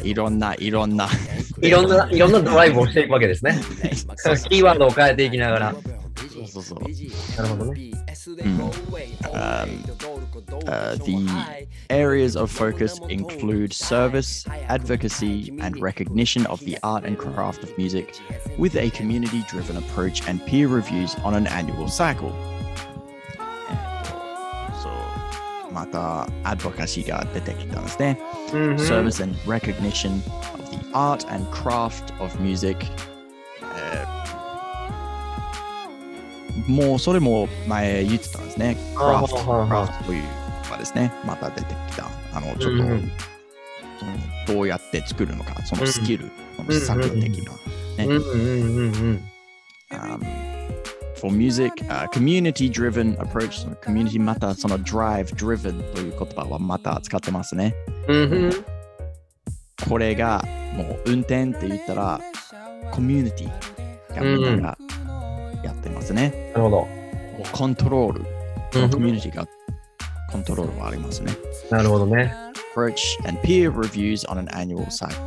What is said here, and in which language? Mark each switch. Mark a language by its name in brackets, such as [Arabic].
[Japanese] いろんなドライブをしていくわけですね。キーワードを変えていきながら。そう。なるほどね。 [English] The areas of focus include service, advocacy, and recognition of the art and craft of music with a community-driven approach and peer reviews on an annual cycle. So, [Japanese] また advocacy が出てきたんですね。 [English] Service and recognition of the art and craft of music. [Japanese] もうそれも前言ってたんですね。 Craft という。ですね、また出てきたあのちょっと、うんうん、そのどうやって作るのかそのスキル、うんうん、その作業的な、ね、 [English] For music、community driven approach [Japanese] その community またその drive driven という言葉はまた使ってますね、うんうん、これがもう運転って言ったらコミュニティがみんながやってますね、なるほど、もうコントロールそのコミュニティがコントロールもありますね。なるほどね。 [English] Approach and peer reviews on an annual cycle.